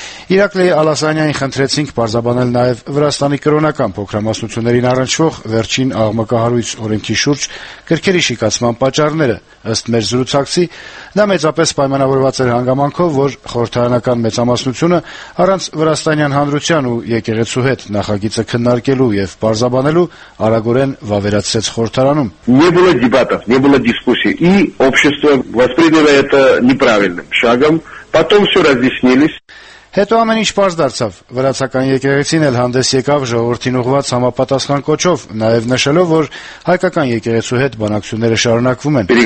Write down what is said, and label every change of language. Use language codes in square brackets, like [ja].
[hy] Իրակլի Ալասանյանին խնդրեցինք պարզաբանել նաև Վրաստանի կրոնական փոքրամասնություններին առնչվող վերջին աղմկահարույց օրենքի շուրջ գրքերի շիկացման պատճառները։ Ըստ մեր զրուցակցի, դա մեծապես պայմանավորված էր հանգամանքով, որ խորհրդարանական մեծամասնությունը առանց Վրաստանյան հանրության ու եկեղեցու հետ նախագիծը քննարկելու և պարզաբանելու արագորեն վավերացրեց խորհրդարանում։ [ru] Не было дебатов, не было дискуссий, и общество восприняло это неправильным шагом, потом всё разъяснились. [hy] Հետո ամեն ինչ պարզ դարձավ, վրացական եկեղեցին էլ հանդես եկավ ժողովրդին ուղված համապատասխան կոչով, նաև նշելով, որ հայկական եկեղեցու հետ բանակցությունները շարունակվում են։